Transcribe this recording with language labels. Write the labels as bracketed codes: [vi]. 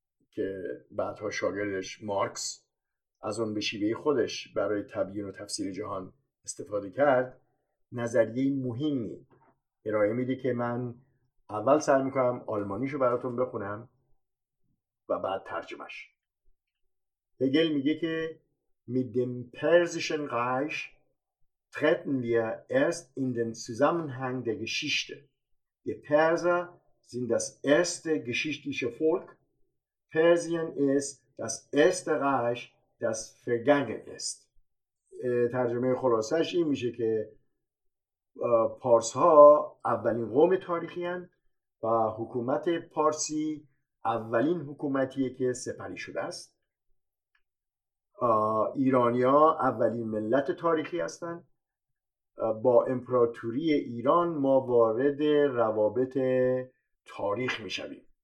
[fa] که بعدها شاگردش مارکس از اون به شیوه خودش برای تبیین و تفسیر جهان استفاده کرد، نظریه مهمی ارائه میده که من اول سعی میکنم آلمانیشو براتون بخونم و بعد ترجمهش. هگل میگه که [de] mit dem persischen Reich treten wir erst in den Zusammenhang der Geschichte. Die Perser sind das erste geschichtliche Volk. Persien ist das erste Reich, das vergangen ist. [fa] ترجمه خلاصش این میشه که پارس ها اولین قوم تاریخی هستند و حکومت پارسی اولین حکومتیه که سپری شده است. ایرانی‌ها اولین ملت تاریخی هستند با امپراتوری ایران ما وارد روابط تاریخ می شویم.